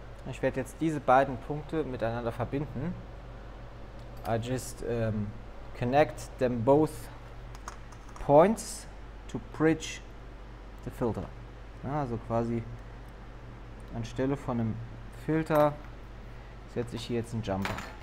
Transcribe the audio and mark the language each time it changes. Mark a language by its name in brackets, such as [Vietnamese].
[German] Ich werde jetzt diese beiden Punkte miteinander verbinden. [English] I just connect them both points to bridge the filter. [German] Ja, also quasi anstelle von einem Filter setze ich hier jetzt einen Jumper.